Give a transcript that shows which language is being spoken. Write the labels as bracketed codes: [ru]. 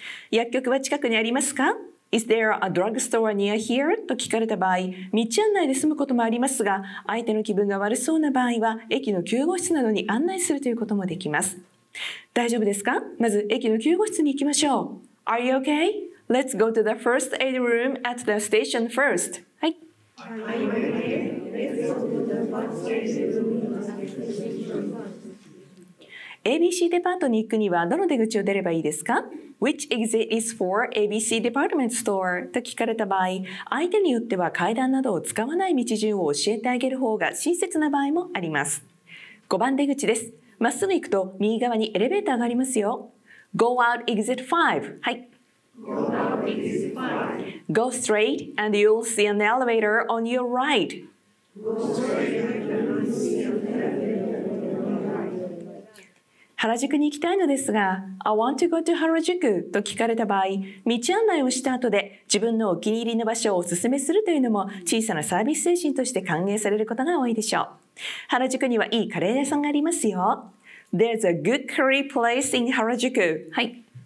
[ja] 薬局は近くにありますか？ [en] Is there a drugstore near here? [ja] と聞かれた場合、道案内で済むこともありますが、相手の気分が悪そうな場合は駅の救護室などに案内するということもできます。大丈夫ですか？まず駅の救護室に行きましょう。 [en] Are you okay? Let's go to the first aid room at the station first. [ja] はい。 ABC デパートに行くにはどの出口を出ればいいですか? [en] Which exit is for ABC department store? [ja] と聞かれた場合、相手によっては階段などを使わない道順を教えてあげる方が親切な場合もあります。5番出口です。まっすぐ行くと右側にエレベーターがありますよ。 [en] Go out exit 5. [ja] はい。 [en] Go straight and you'll see an elevator on your right. Go straight and you'll see an elevator on your right. [ja] 原宿に行きたいのですが、 [en] I want to go to [ja] 原宿と聞かれた場合、道案内をした後で自分のお気に入りの場所をお勧めするというのも小さなサービス精神として歓迎されることが多いでしょう。原宿にはいいカレー屋さんがありますよ。 [en] There's a good curry place in 原宿。 [ja] はい。